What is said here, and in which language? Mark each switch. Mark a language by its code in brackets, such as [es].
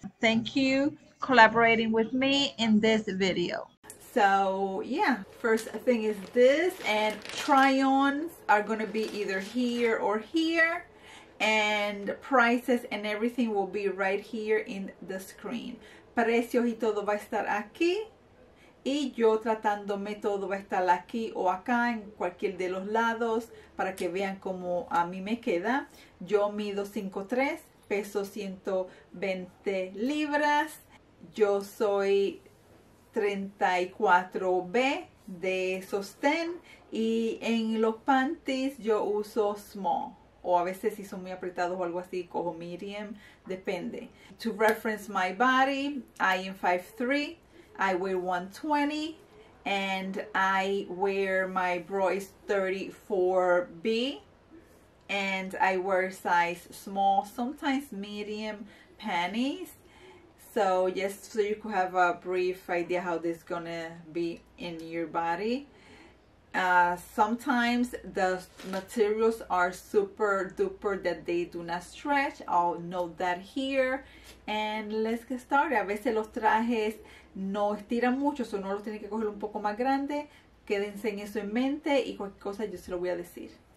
[en] Thank you collaborating with me in this video. So yeah, first thing is this, and try-ons are gonna be either here or here, and prices and everything will be right here in the screen. [es] Precios y todo va a estar aquí, y yo tratándome todo va a estar aquí o acá en cualquier de los lados para que vean cómo a mí me queda. Yo mido 5'3", peso 120 libras. Yo soy 34B de sostén, y en los panties yo uso small, o a veces si son muy apretados o algo así, cojo medium, depende. [en] To reference my body, I am 5'3", I weigh 120, and I wear my bra is 34B, and I wear size small, sometimes medium panties. So just so you could have a brief idea how this is gonna be in your body. Sometimes the materials are super duper that they do not stretch. I'll note that here. And let's get started. [es] A veces los trajes no estiran mucho, so no lo tienen que coger un poco más grande. Quédense en eso en mente y cualquier cosa yo se lo voy a decir.